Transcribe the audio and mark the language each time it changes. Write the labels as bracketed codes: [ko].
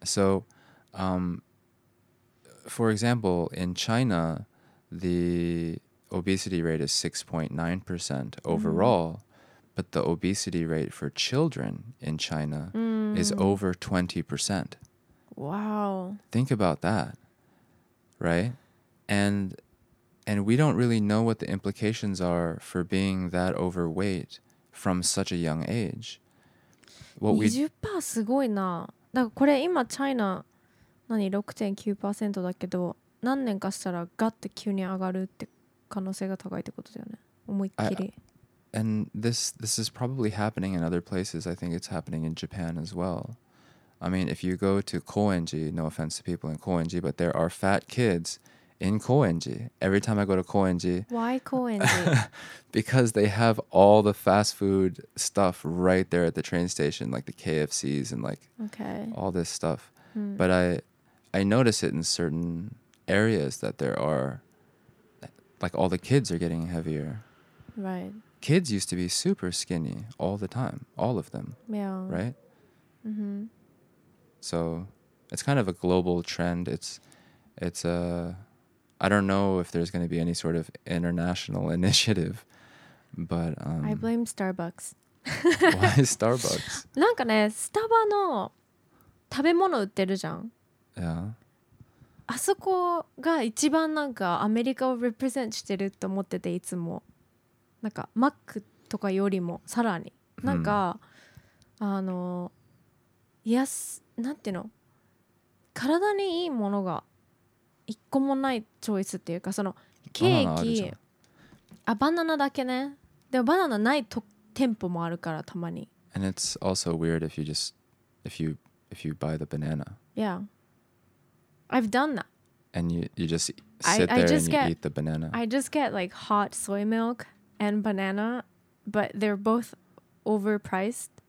[en] So, for example, in China, the obesity rate is 6.9% overall, but the obesity rate for children in China is over 20%. Wow. Think about that, right? And we don't really know what the implications are for being that overweight from such a young age. What [ja] 20% すごいな。だからこれ今チャイナ何 6.9% だけど何年かしたらガッて急に上がるって可能性が高いってことだよね。思いっきり。 [en] And this is probably happening in other places. I think it's happening in Japan as well. I mean, if you go to Koenji, no offense to people in Koenji, but there are fat kids in Koenji. Every time I go to Koenji. Why Koenji? Because they have all the fast food stuff right there at the train station, like the KFCs and like okay. all this stuff. Hmm. But I notice it in certain areas that there are, like all the kids are getting heavier. Right. Kids used to be super skinny all the time, all of them. Yeah. Right? Mm-hmm. So it's kind of a global trend. It's a, I don't know if there's going to be any sort of international initiative, but. I blame Starbucks. Why Starbucks? [ja] なんかね、スタバの食べ物売ってるじゃん。 [en] Yeah. [ja] あそこが一番なんかアメリカをリプレゼントしてると思ってていつもなんかマックとかよりもさらになんか、hmm. あの安なんていうの体にいいものが一個もないチョイスっていうかそのケーキ あバナナだけねでもバナナないと店舗もあるからたまに [en] and it's also weird if you just if you buy the banana yeahI've done that. And you just sit there and eat the banana. I just get like hot soy milk and banana, but they're both overpriced.